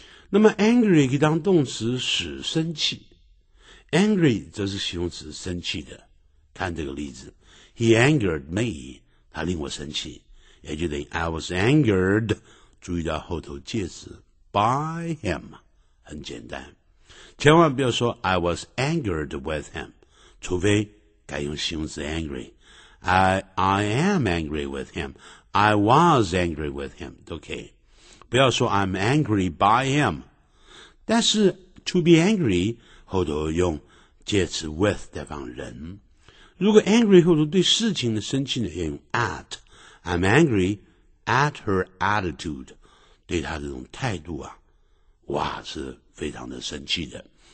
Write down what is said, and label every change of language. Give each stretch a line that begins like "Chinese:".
Chinese: 那么 angry 可以当动词使生气。Angry 则是形容词生气的。看这个例子。
English: He angered me.
Chinese: 他令我生气。也就等于
English: I was angered，
Chinese: 注意到后头介词 by him， 很简单，千万不要说 I was angered with him， 除非改用形容词 angry，
English: I am angry with him， I was angry with him
Chinese: 都可以，不要说 I'm angry by him， 但是 to be angry 后头用介词 with 代表人，如果 angry 后头对事情的生气呢，要用 at。
English: I'm angry at her attitude，
Chinese: 对她这种态度啊，哇，是非常的生气的。